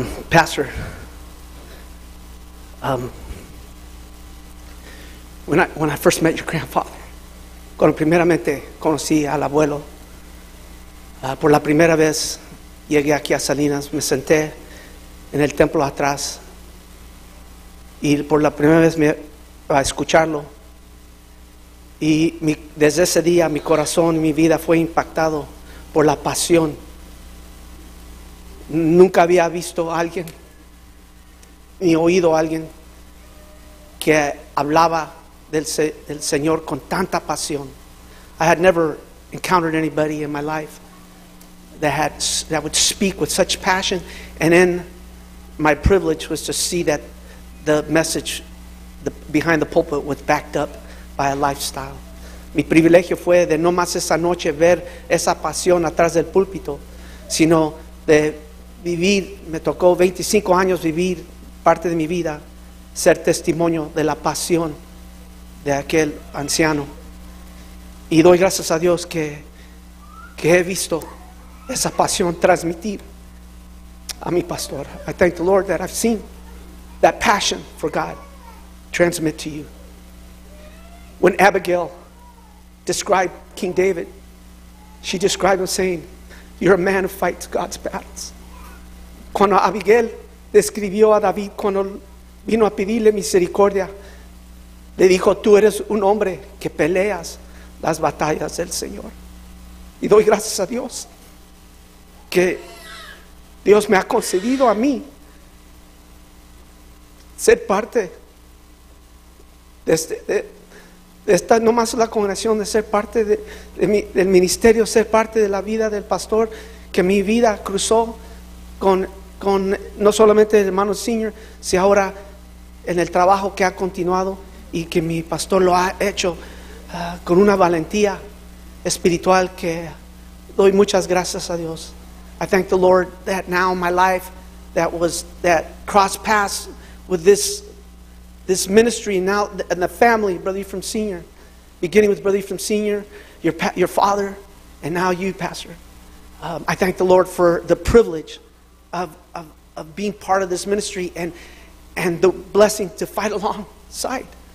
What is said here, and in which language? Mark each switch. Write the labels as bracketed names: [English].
[English] Pastor, when I first met your grandfather, [Spanish] cuando primeramente conocí al abuelo, por la primera vez llegué aquí a Salinas, me senté en el templo atrás y por la primera vez me a escucharlo, y desde ese día mi corazón, mi vida fue impactado por la pasión. Nunca había visto a alguien ni oído a alguien que hablaba del Señor con tanta pasión. [English] I had never encountered anybody in my life that would speak with such passion. And then my privilege was to see that the message behind the pulpit was backed up by a lifestyle. [Spanish] Mi privilegio fue de no más esa noche ver esa pasión atrás del púlpito, sino de vivir. Me tocó 25 años vivir parte de mi vida, ser testimonio de la pasión de aquel anciano. Y doy gracias a Dios que he visto esa pasión transmitir a mi pastor. [English] I thank the Lord that I've seen that passion for God transmit to you. When Abigail described King David, she described him saying, "You're a man who fights God's battles." [Spanish] Cuando Abigail describió a David, cuando vino a pedirle misericordia, le dijo, "Tú eres un hombre que peleas las batallas del Señor." Y doy gracias a Dios que Dios me ha concedido a mí ser parte de esta, no más la congregación, de ser parte del ministerio, ser parte de la vida del pastor, que mi vida cruzó con no solamente el hermano Senior, sino ahora en el trabajo que ha continuado, y que mi pastor lo ha hecho con una valentía espiritual que doy muchas gracias a Dios. [English] I thank the Lord that now my life that crossed paths with this ministry now and the family, Brother Ephraim Senior, beginning with Brother Ephraim Senior, your father, and now you, Pastor. I thank the Lord for the privilege of being part of this ministry and the blessing to fight alongside.